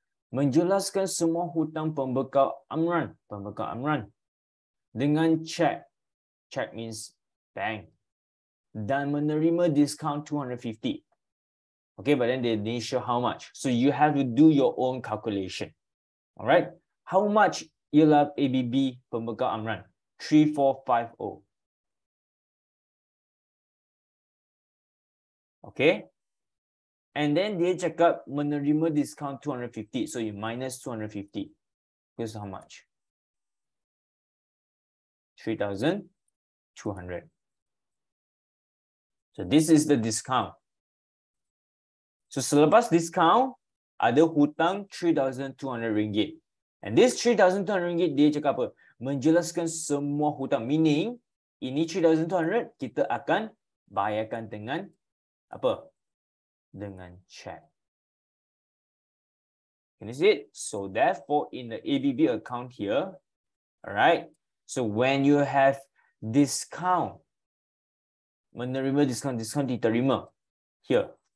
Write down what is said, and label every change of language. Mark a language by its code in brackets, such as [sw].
[ms] Menjelaskan semua hutang pembekal amran. Pembekal amran. Dengan cek. [en] Cek means bank. [ms] Dan menerima discount 250. [en] Okay, but then they didn't show how much. So you have to do your own calculation. Alright? How much [ms] ialah ABB pembekal amran? 3450. [en] Okay. And then [ms] dia cakap menerima discount 250. [en] So you minus 250. Because how much? 3,200. So this is the discount. So [ms] selepas discount, ada hutang 3,200 ringgit. [en] And this [ms] 3,200 ringgit dia cakap apa? Menjelaskan semua hutang. Meaning, ini 3,200 kita akan bayarkan dengan apa? Dengan cek. [en] Can you see it? So therefore, in the ABB account here, alright? So when you have discount, [ms] menerima discount, discount diterima. [en] Here.